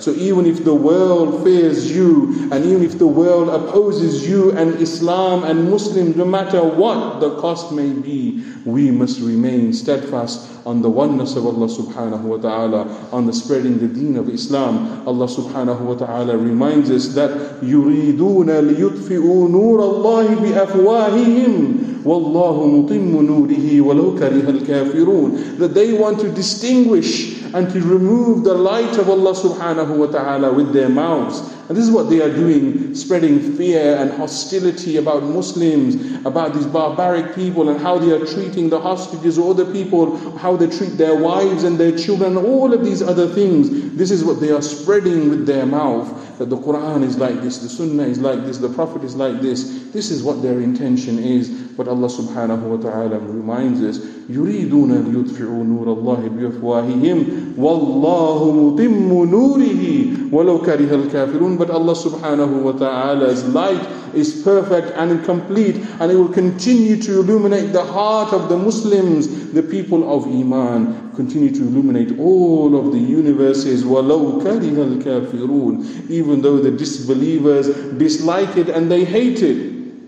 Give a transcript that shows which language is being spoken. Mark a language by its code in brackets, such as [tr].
[en] So even if the world fears you, and even if the world opposes you and Islam and Muslims, no matter what the cost may be, we must remain steadfast on the oneness of Allah subhanahu wa ta'ala, on the spreading the deen of Islam. Allah subhanahu wa ta'ala reminds us that [ar] يُرِيدُونَ لِيُطْفِئُوا نُورَ اللَّهِ بِأَفْوَاهِهِمْ وَاللَّهُ مُطِمُّ نُورِهِ وَلَوْ كَرِهَ الْكَافِرُونَ. [en] That they want to distinguish and to remove the light of Allah subhanahu wa ta'ala with their mouths. And this is what they are doing, spreading fear and hostility about Muslims, about these barbaric people, and how they are treating the hostages or the people, how they treat their wives and their children, all of these other things. This is what they are spreading with their mouth, that the Quran is like this, the Sunnah is like this, the Prophet is like this. This is what their intention is. But Allah subhanahu wa ta'ala reminds us, [ar] يُرِيدُونَ لِيُطْفِعُوا نُورَ اللَّهِ بِأَفْوَاهِهِمْ وَاللَّهُ مُطِمُّ نُورِهِ وَلَوْ كَرِهَ الْكَافِرُونَ. [en] But Allah subhanahu wa ta'ala's light is perfect and complete, and it will continue to illuminate the heart of the Muslims, the people of Iman, continue to illuminate all of the universes. [ar] وَلَوْ كَرِهَ الْكَافِرُونَ. [en] Even though the disbelievers dislike it and they hate it.